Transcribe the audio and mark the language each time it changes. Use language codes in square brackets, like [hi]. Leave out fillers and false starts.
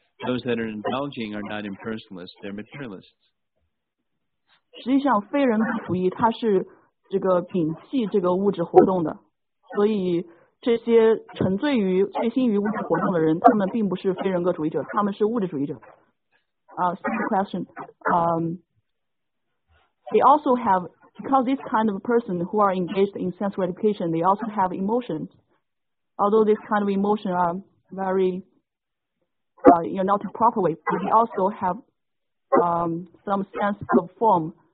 [en] Those that are indulging are not impersonalists; they're materialists. [zh] 实际上，非人格主义它是这个摒弃这个物质活动的，所以这些沉醉于醉心于物质活动的人，他们并不是非人格主义者，他们是物质主义者。 [en] Second question. They also have, because this kind of person who are engaged in sense gratification, they also have emotions. Although this kind of emotion are very, not the proper way, but they also have some sense of form.